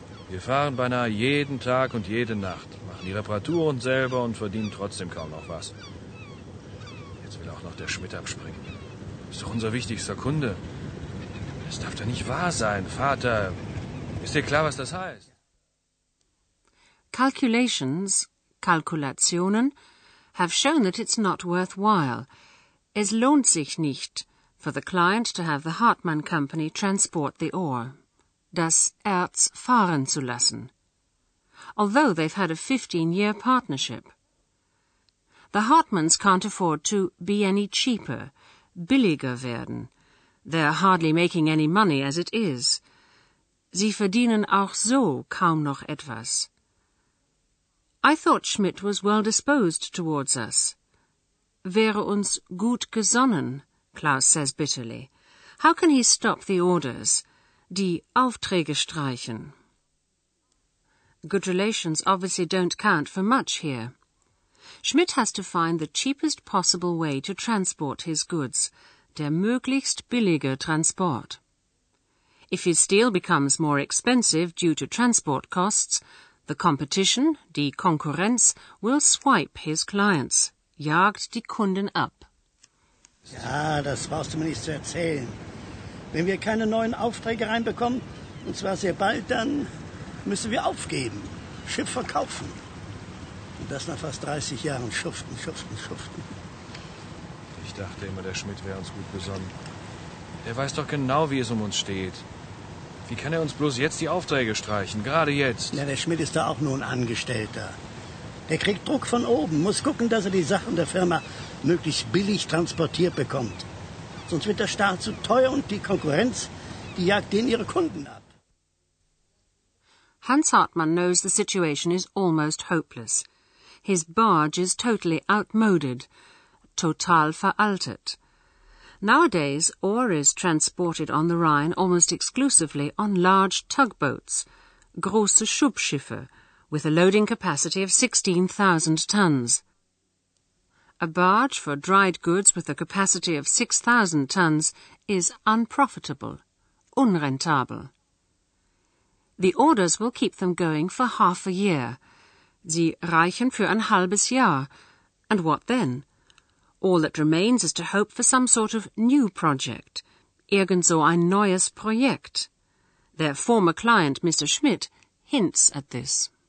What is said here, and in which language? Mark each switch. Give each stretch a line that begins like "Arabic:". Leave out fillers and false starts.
German: Wir fahren beinahe jeden Tag und jede Nacht, machen die Reparaturen selber und verdienen trotzdem kaum noch was. Jetzt will auch noch der Schmidt abspringen. Ist doch unser wichtigster Kunde. Das darf doch nicht wahr sein, Vater. Ist dir klar, was das heißt?
English: Calculations, Kalkulationen, have shown that it's not worthwhile.
German: Es lohnt sich nicht,
English: for the client to have the Hartmann Company transport the ore.
German: Das Erz fahren zu lassen.
English: Although they've had a 15-year partnership. The Hartmanns can't afford to be any cheaper,
German: billiger werden.
English: They're hardly making any money as it is.
German: Sie verdienen auch so kaum noch etwas.
English: I thought Schmidt was well disposed towards us.
German: Wäre uns gut gesonnen, Klaus
English: says bitterly. How can he stop the orders,
German: die Aufträge streichen?
English: Good relations obviously don't count for much here. Schmidt has to find the cheapest possible way to transport his goods,
German: der möglichst billige Transport.
English: If his steel becomes more expensive due to transport costs, the competition,
German: die Konkurrenz,
English: will swipe his clients,
German: jagt die Kunden ab. Ja, das brauchst du mir nicht zu erzählen. Wenn wir keine neuen Aufträge reinbekommen, und zwar sehr bald, dann müssen wir aufgeben, Schiff verkaufen. Und das nach fast 30 Jahren schuften, schuften, schuften. Ich dachte immer, der Schmidt wäre uns gut besonnen. Der weiß doch genau, wie es um uns steht. Wie kann er uns bloß jetzt die Aufträge streichen, gerade jetzt? Ja, der Schmidt ist da auch nur ein Angestellter. Der kriegt Druck von oben, muss gucken, dass er die Sachen der Firma möglichst billig transportiert bekommt. Sonst wird der Staat zu teuer und die Konkurrenz, die jagt denen ihre Kunden ab.
English: Hans Hartmann knows the situation is almost hopeless. His barge is totally outmoded,
German: total veraltet.
English: Nowadays, ore is transported on the Rhine almost exclusively on large tugboats,
German: große Schubschiffe,
English: with a loading capacity of 16,000 tons. A barge for dried goods with a capacity of 6,000 tons is unprofitable, unrentable. The orders will keep them going for half a year.
German: Sie reichen für ein halbes Jahr.
English: And what then? All that remains is to hope for some sort of new project,
German: irgend so ein neues Projekt.
English: Their former client, Mr. Schmidt, hints at this.